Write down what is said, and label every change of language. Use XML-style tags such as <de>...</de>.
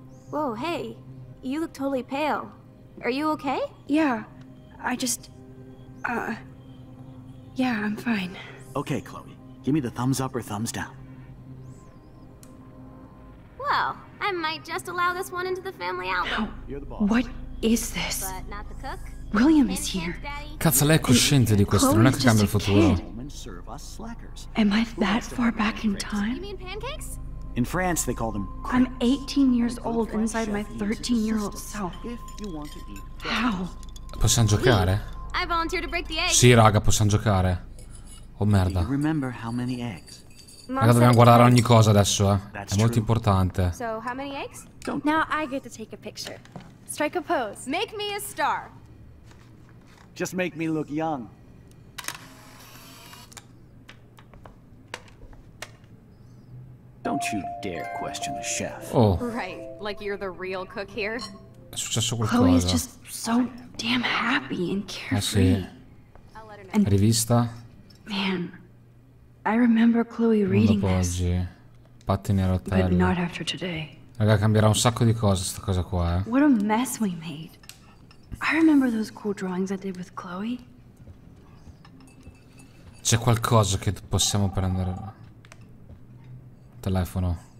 <en>Whoa, hey. You look totally pale. Are you okay? Yeah, I just... Yeah, I'm fine. Okay, Chloe. Give me the thumbs up or thumbs down. Well, I might just allow this one into the family album. No. You're the boss. What is this? But not the cook. William is here.</en> <it>Cazzo, lei è cosciente di questo, non è che cambia il futuro.</it> <en>Am I that far back in time? You mean pancakes? In France, they call them crepes. I'm 18 years old inside my 13-year-old self. How?</en> <it>Possiamo giocare?</it> <en>I volunteer to break the egg.</en> <it>Sì, raga, possiamo giocare. Oh, merda.</it> <en>Do you remember how many eggs?</en> <it>Raga, dobbiamo guardare ogni cosa adesso, È molto importante.</it> <en>So, how many eggs? Now I get to take a picture. Strike a pose. Make me a star. Just make me look young. Don't you dare question the chef. Oh. Right, like you're the real cook here.</en> <it>È successo qualcosa.</it> <en>Chloe is just so damn happy and carefree. And rivista. Man, I remember Chloe reading this.</en> <it>Oggi. Pattini a rotelle.</it> <en>But not after today.</en> <it>Raga, cambierà un sacco di cose questa cosa qua,</it> <en>What a mess we made. I remember those cool drawings I did with Chloe.</en> <it>C'è qualcosa che possiamo prendere... telefono.</it>